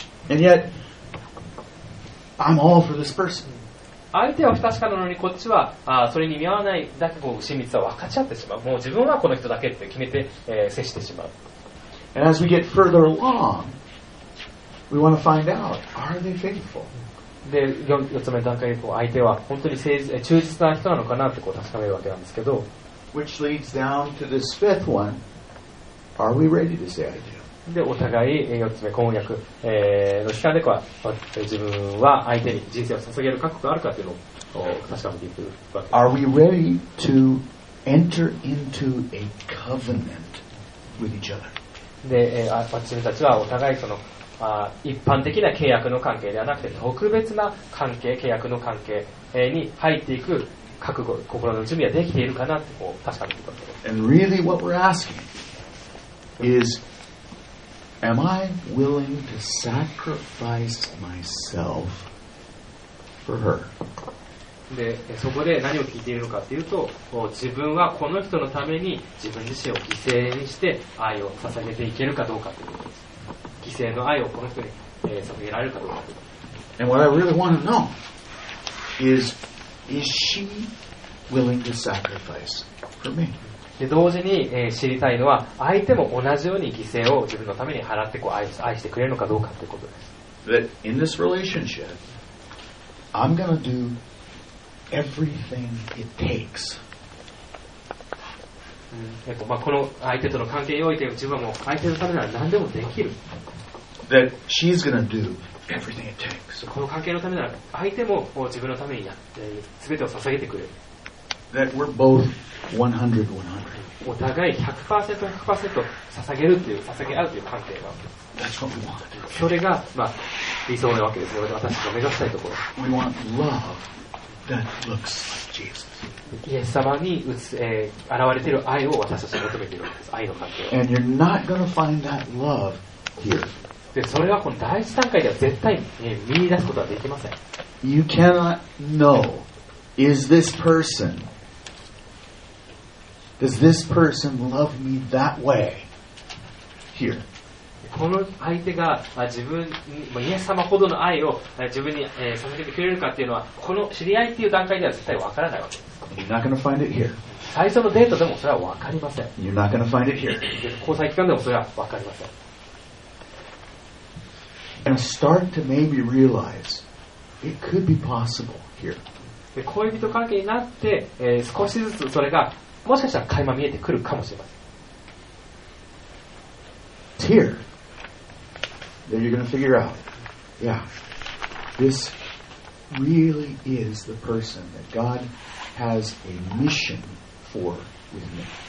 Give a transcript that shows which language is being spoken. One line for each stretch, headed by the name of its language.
English: And yet I'm all for this person.
Japanese: 相手は不確かなのに、こっちはそれに見合わないだけ、こう親密さを分かち合ってしまう。もう自分はこの人だけって決めて、接してしまう。
English: And as we get further along, we want to find out, are they faithful?
Japanese: で、4つ目の段階でこう相手は本当に誠実、忠実な人なのかなってこう確かめるわけなんですけど。
English: Which leads down to this fifth one, are we ready to say I do?
Japanese: でお互い4つ目婚約、の期間で自分は相手に人生を捧げる覚悟があるかというのを確かめていくわけです。
English: Are we ready to enter into a covenant with each other?
Japanese: で、自分たちはお互いその一般的な契約の関係ではなくて特別な関係、契約の関係に入っていく覚悟、心の準備はできているかなと確かめていくわけです。
English: And really what we're asking isAm I willing to sacrifice myself for her?
Japanese: で、そこで何を聞いているのかというと、自分はこの人のために自分自身を犠牲にして愛を捧げていけるかどうかということです。犠牲の愛をこの人に、捧げられるかどうか。
English: And what I really want to know is, is she willing to sacrifice for me?
Japanese: で同時に、知りたいのは相手も同じように犠牲を自分のために払ってこう 愛してくれるのかどうかということです。
English: But in this relationship I'm going to do everything it takes、
Japanese: この相手との関係において自分も相手のためなら何でもできる。
English: That she's going to do everything it takes、
Japanese: この関係のためなら相手も自分のためにやって全てを捧げてくれる。
English: That we're both 100-100
Japanese: お互い 100%100% 捧げるという捧げ合うという関係が、それが、理想なわけです。私が目指したいところ、
English: we want love that looks like、Jesus.
Japanese: イエス様に現れている愛を私たちが求めているわけです。愛の関係。
English: And you're not gonna find that love here.
Japanese: でそれはこの第一段階では絶対に、見出すことはできません。
English: You cannot knowIs this person, does this person love me that way? Here.
Japanese: この相手が自分に、イエス様ほどの愛を自分に捧げてくれるかっていうのは、この知り合いっていう段階では絶対わからないわけです。
English: You're not going to find it here.
Japanese: 最初のデートでもそれはわかりません。
English: You're not going to find it here.
Japanese: 交際期間でもそれはわかりません。
English: And start to maybe realize it could be possible here.
Japanese: 恋人関係になって、少しずつそれがもしかしたら垣間見えてくるかもしれません。
English: Here, then you're going to figure out, yeah, this really is the person that God has a mission for with me.